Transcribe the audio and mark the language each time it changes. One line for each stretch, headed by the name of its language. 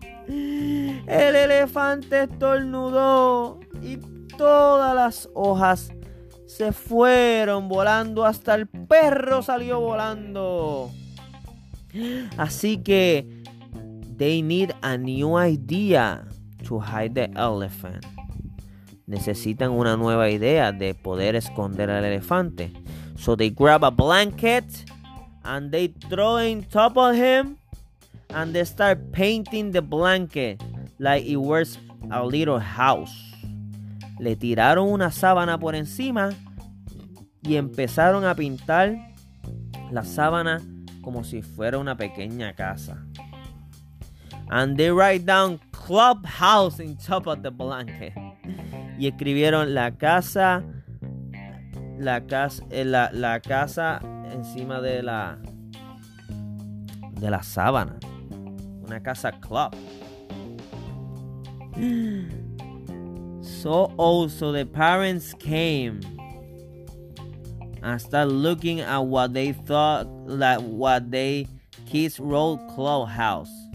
Spanish: El elefante estornudó y todas las hojas se fueron volando, hasta el perro salió volando. Así que
English: they need a new idea to hide the elephant.
Spanish: Necesitan una nueva idea de poder esconder al elefante.
English: So they grab a blanket and they throw it on top of him and they start painting the blanket like it was a little house.
Spanish: Le tiraron una sábana por encima y empezaron a pintar la sábana como si fuera una pequeña casa.
English: And they write down clubhouse in top of the blanket.
Spanish: Y escribieron la casa encima de la sábana. Una casa club.
English: So also the parents came and started looking at what they thought, like what they kids wrote clubhouse.